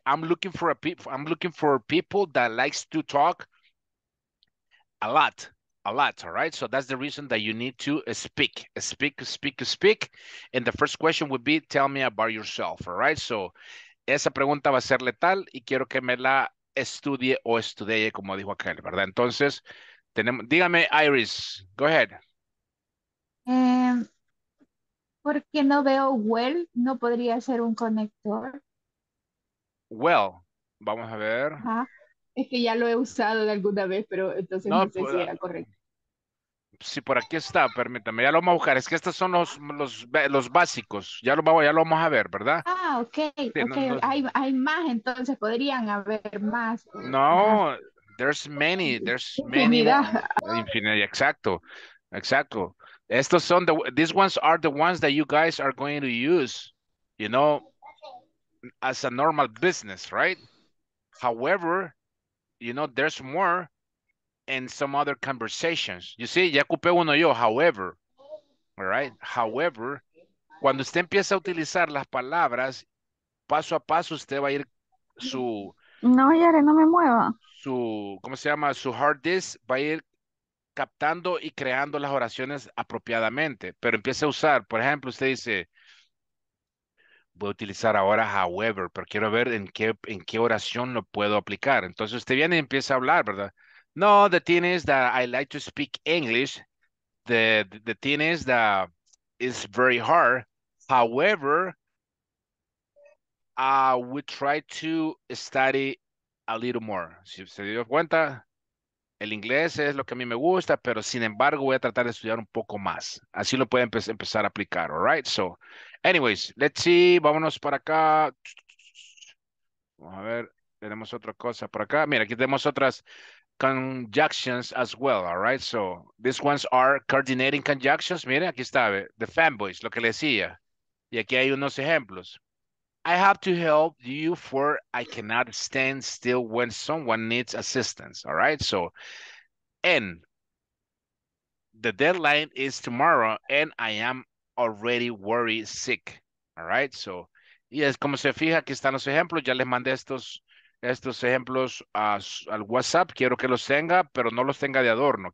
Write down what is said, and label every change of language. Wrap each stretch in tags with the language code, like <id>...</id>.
<en>I'm looking for people that likes to talk a lot, all right? So that's the reason that you need to speak, speak, speak, speak. And the first question would be, tell me about yourself, all right?</en> <es>So esa pregunta va a ser letal y quiero que me la estudie o estudie, como dijo aquel, ¿verdad? Entonces, tenemos, dígame, Iris,</es> <en>go ahead.</en> <es>Porque no veo well, no podría ser un conector. Well, vamos a ver. Ajá. Es que ya lo he usado de alguna vez, pero entonces no, no sé si era correcto. Sí, por aquí está, permítame, ya lo vamos a buscar. Es que estos son los básicos. Ya lo vamos a ver, ¿verdad? Ah, ok. Sí, okay. No, no. Hay más, entonces podrían haber más. No. Más.</es> <en>There's many, infinity.</en> <es>Exacto, exacto. Estos son</es> <en>these ones are the ones that you guys are going to use, you know, as a normal business, right? However, you know, there's more in some other conversations. You see,</en> <es>ya ocupé uno yo,</es> <en>however, all right?</en> <es>However, cuando usted empieza a utilizar las palabras, paso a paso usted va a ir su... No, Yare, no me mueva. Su, ¿cómo se llama? Su hard disk va a ir captando y creando las oraciones apropiadamente. Pero empiece a usar. Por ejemplo, usted dice, voy a utilizar ahora however, pero quiero ver en qué oración lo puedo aplicar. Entonces usted viene y empieza a hablar, ¿verdad?</es> <en>No, the thing is that I like to speak English. The thing is that it's very hard. However, we try to study a little more.</en> <es>Si se dio cuenta, el inglés es lo que a mí me gusta, pero sin embargo voy a tratar de estudiar un poco más. Así lo puede empezar a aplicar, all right?</es> <en>So, anyways, let's see,</en> <es>vámonos para acá. Vamos a ver, tenemos otra cosa por acá. Mira, aquí tenemos otras conjunctions as well, all right?</es> <en>So, these ones are coordinating conjunctions.</en> <es>Mira, aquí está, the fanboys, lo que le decía. Y aquí hay unos ejemplos.</es> <en>I have to help you for I cannot stand still when someone needs assistance. All right. So, and the deadline is tomorrow and I am already worried sick. All right.</en> <es>So, yes, como se fija, aquí están los ejemplos. Ya les mandé estos ejemplos al WhatsApp. Quiero que los tenga, pero no los tenga de adorno.</es>